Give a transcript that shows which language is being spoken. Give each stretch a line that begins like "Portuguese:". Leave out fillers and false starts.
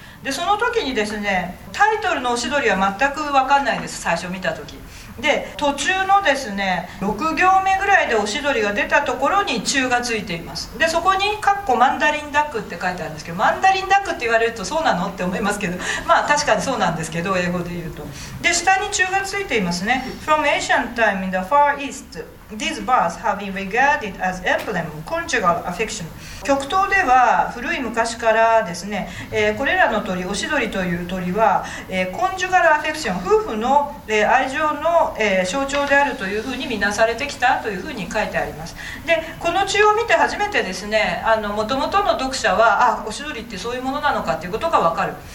Japanese: で、その時にですね、タイトルのおしどりは全く分かんないです、最初見た時で。途中のですね、6行目ぐらいでおしどりが出たところに中がついています。で、そこにカッコマンダリンダックって書いてあるんですけど、マンダリンダックって言われるとそうなのって思いますけど、まあ確かにそうなんですけど、英語で言うと。で、下に中がついていますね。
English: From ancient time in the far east these birds have been regarded as emblem of conjugal affection。
Japanese: 極東では古い昔からですね、これらの鳥、おしどりという鳥は、コンジュガルアフェクション、夫婦の、愛情の象徴であるというふうに見なされてきたというふうに書いてあります。で、この中を見て初めてですね、あの、元々の読者は、あ、おしどりってそういうものなのかっていうことが分かる。